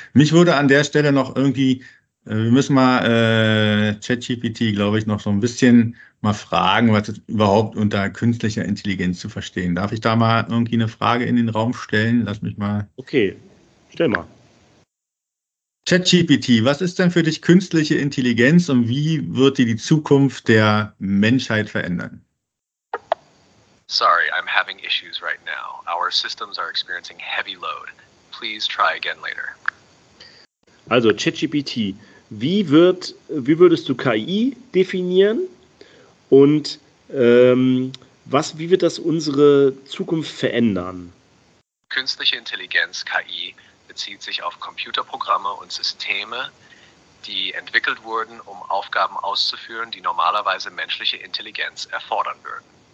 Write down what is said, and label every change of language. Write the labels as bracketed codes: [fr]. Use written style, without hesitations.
[de] Mich würde an der Stelle noch irgendwie, wir müssen mal ChatGPT, glaube ich, noch so ein bisschen mal fragen, was überhaupt unter künstlicher Intelligenz zu verstehen. Darf ich da mal irgendwie eine Frage in den Raum stellen? Lass mich mal. Okay, stell mal. ChatGPT, was ist denn für dich künstliche Intelligenz und wie wird dir die Zukunft der Menschheit verändern? [en] Sorry, I'm having issues right now. Our systems are experiencing heavy load. Please try again later. [de] Also ChatGPT, wie würdest du KI definieren und wie wird das unsere Zukunft verändern? Künstliche Intelligenz, KI, bezieht sich auf Computerprogramme und Systeme, die entwickelt wurden, um Aufgaben auszuführen, die normalerweise menschliche Intelligenz erfordern würden.